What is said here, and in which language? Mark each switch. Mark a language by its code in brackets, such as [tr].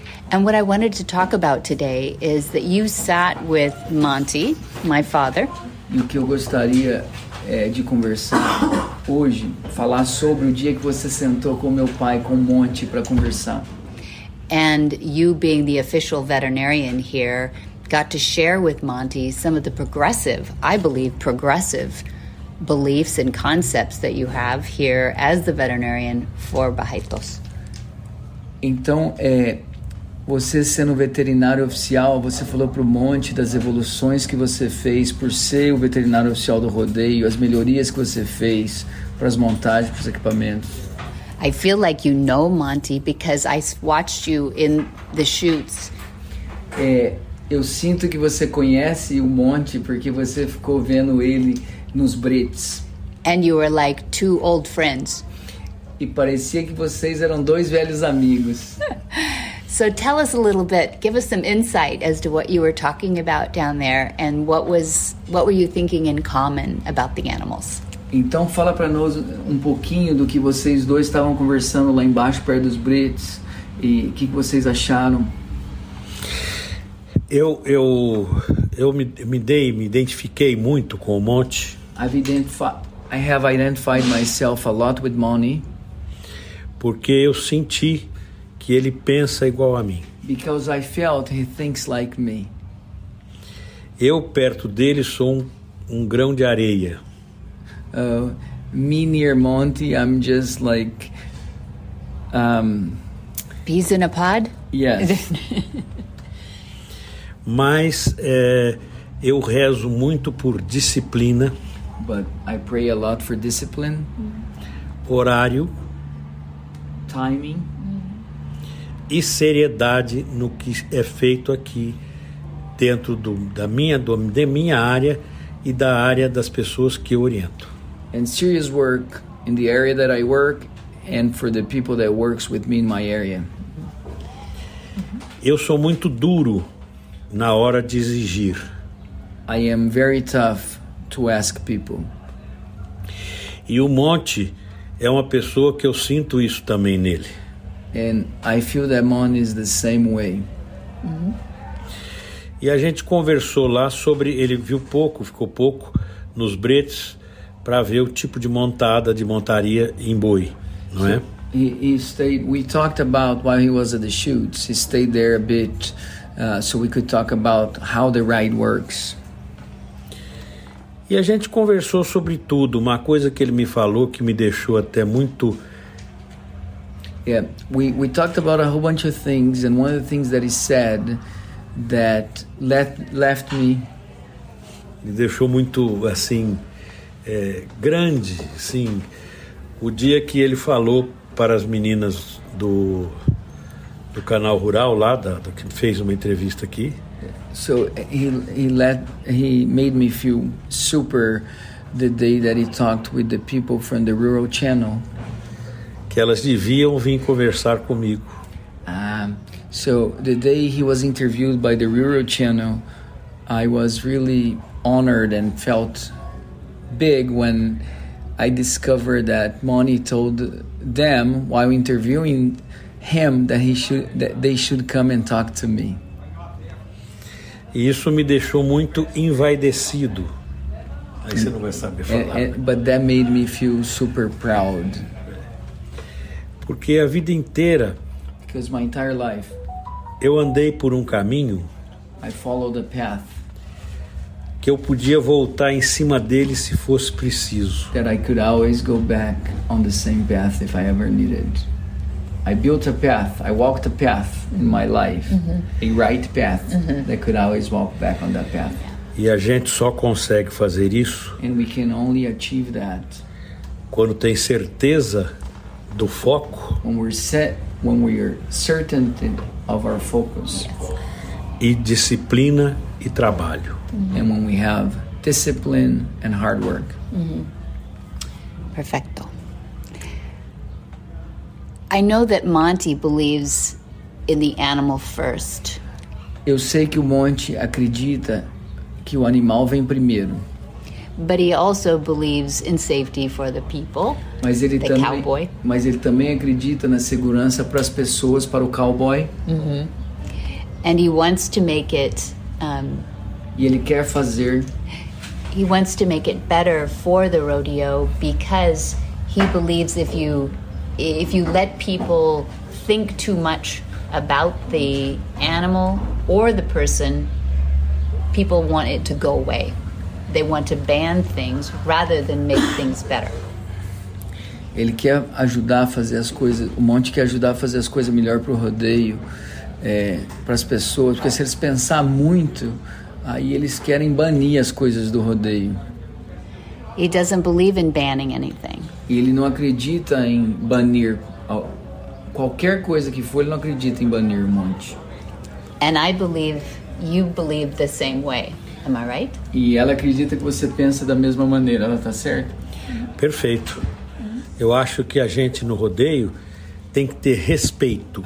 [en] And what I wanted to talk about today is that you sat with Monty, my father. [pt] E o que eu gostaria de conversar hoje, falar sobre o dia que você sentou com meu pai, com Monty, para conversar. [en] And you, being the official veterinarian here, got to share with Monty some of the progressive, I believe, progressive beliefs and concepts that you have here as the veterinarian for Barretos. [pt] Então, você sendo veterinário oficial, você falou pro Monty das evoluções que você fez por ser o veterinário oficial do rodeio, as melhorias que você fez para as montagens, para os equipamentos. [en] I feel like you know Monty because I watched you in the shoots. [pt] Eu sinto que você conhece o Monty porque você ficou vendo ele nos Brits. [en] And you were like two old friends. [pt] E parecia que vocês eram dois velhos amigos. [en] So tell us a little bit, give us some insight as to what you were talking about down there and what were you thinking in common about the animals? [pt] Então fala para nós pouquinho do que vocês dois estavam conversando lá embaixo perto dos Brits e o que vocês acharam. Eu me identifiquei muito com o Monty. [en] I have identified myself a lot with Monty. [pt] Porque eu senti que ele pensa igual a mim. [en] Because I felt he thinks like me. [pt] Eu perto dele sou um grão de areia. [en] Me near Monty, I'm just like peas in a pod. Yes. [pt] Mas eu rezo muito por disciplina. [en] But I pray a lot for discipline. [pt] Horário. [en] Timing. [pt] E seriedade no que é feito aqui dentro da minha área e da área das pessoas que eu oriento. [en] And serious work in the area that I work and for the people that works with me in my area. [pt] Eu sou muito duro na hora de exigir. [en] I am very tough to ask people. [pt] E o Monty é uma pessoa que eu sinto isso também nele. [en] And I feel that Mon is the same way. [pt] E a gente conversou lá sobre, ele viu pouco, ficou pouco nos Brits para ver o tipo de montada, de montaria em boi, não é? [en] We talked about while he was at the shoots. He stayed there a bit so we could talk about how the ride works. [pt] E a gente conversou sobre tudo, uma coisa que ele me falou que me deixou até muito. [en] Yeah, we talked about a whole bunch of things, and one of the things that he said that left me. [pt] Me deixou muito assim grande, sim. O dia que ele falou para as meninas do canal rural lá, que fez uma entrevista aqui. [en] So he made me feel super the day that he talked with the people from the rural channel. [pt] Que elas deviam vir conversar comigo. [en] So the day he was interviewed by the rural channel, I was really honored and felt big when I discovered that Monty told them while interviewing him that they should come and talk to me. [pt] E isso me deixou muito envaidecido. Aí você não vai saber falar. [en] But that made me feel super proud. [pt] Porque a vida inteira, [en] because my entire life, [pt] eu andei por um caminho, [en] I followed a path, [pt] que eu podia voltar em cima dele se fosse preciso. [en] That I could always go back on the same path if I ever needed. I built a path, I walked a path in my life, a right path, that could always walk back on that path. [pt] E a gente só consegue fazer isso, [en] and we can only achieve that, [pt] quando tem certeza do foco. [en] When we're set, when we are certain of our focus. [pt] E disciplina e trabalho. [en] And when we have discipline and hard work. Mm-hmm. Perfecto. I know that Monty believes in the animal first. [pt] Eu sei que o Monty acredita que o animal vem primeiro. [en] But he also believes in safety for the people, [pt] mas ele [en] the [pt] também, [en] cowboy. [pt] Mas ele também acredita na segurança para as pessoas, para o cowboy. [en] Mm-hmm. And he wants to make it... [pt] E ele quer fazer... [en] He wants to make it better for the rodeo because he believes if you let people think too much about the animal or the person, people want it to go away. They want to ban things rather than make things better. [pt] Ele quer ajudar a fazer as coisas, o Monte quer ajudar a fazer as coisas melhor para o rodeio, para as pessoas, porque se eles pensar muito, aí eles querem banir as coisas do rodeio. [en] He doesn't believe in banning anything. [pt] E ele não acredita em banir qualquer coisa que for, ele não acredita em banir o Monte. [en] And I believe you believe the same way. Am I right? [pt] E ela acredita que você pensa da mesma maneira, ela está certa? Perfeito. Eu acho que a gente no rodeio tem que ter respeito.